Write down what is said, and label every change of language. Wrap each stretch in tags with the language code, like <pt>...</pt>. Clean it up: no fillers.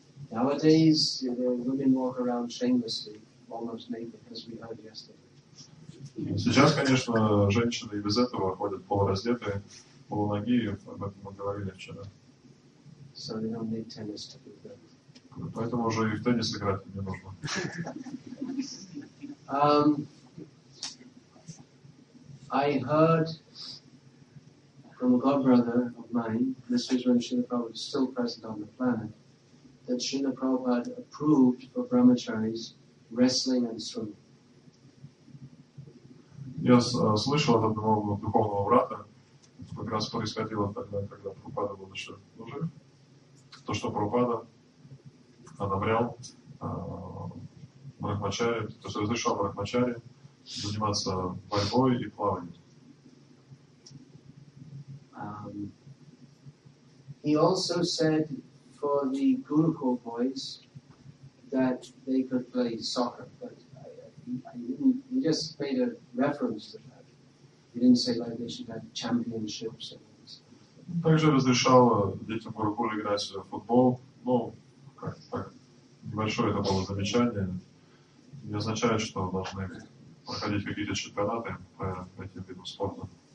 <en>Nowadays, you know, women walk around shamelessly, almost naked, as we heard yesterday.</en> <ru>Сейчас, конечно, женщины и без этого ходят полураздетые, полуногие, об этом мы говорили вчера.</ru> <en>So they don't need tennis to do that.</en> <ru>Поэтому уже и в теннис играть не нужно.</ru> <en>I heard from a godbrother of mine, this was when Srila Prabhupada was still present on the planet, that Srila Prabhupada approved for brahmacharis wrestling and swimming.</en> <ru>Я слышал от одного духовного брата, как раз происходило тогда, когда Прабхупада был еще жив. То, что Прабхупада одобрял брахмачари, то есть разрешал брахмачари заниматься борьбой и плаванием.</ru> <en>He also said for the Gurukul boys that they could play soccer, but he just made a reference to that. He didn't say like they should have championships.</en> <ru>Также разрешал детям Гурукуле играть в футбол. Ну, как небольшое это было замечание. Не означает, что должны проходить какие-то чемпионаты по этим видам спорта.</ru>